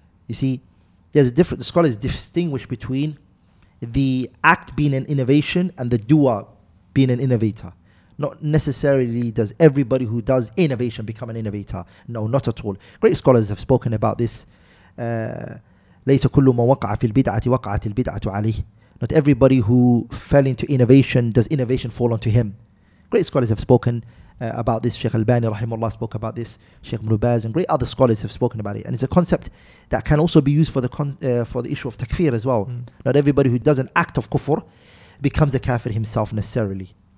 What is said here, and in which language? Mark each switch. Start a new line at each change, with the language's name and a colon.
English: You see, there's a different, the scholars distinguish between the act being an innovation and the doer being an innovator. Not necessarily does everybody who does innovation become an innovator. No, not at all. Great scholars have spoken about this.
Arabic: ليس كل ما وقع في البدعة وقعت البدعة عليه.
English: Not everybody who fell into innovation, does innovation fall onto him? Great scholars have spoken about this. Sheikh Albani rahimahullah spoke about this. Sheikh Ibn Baz and great other scholars have spoken about it. And it's a concept that can also be used for the issue of takfir as well. Mm. Not everybody who does an act of kufr becomes a kafir himself necessarily.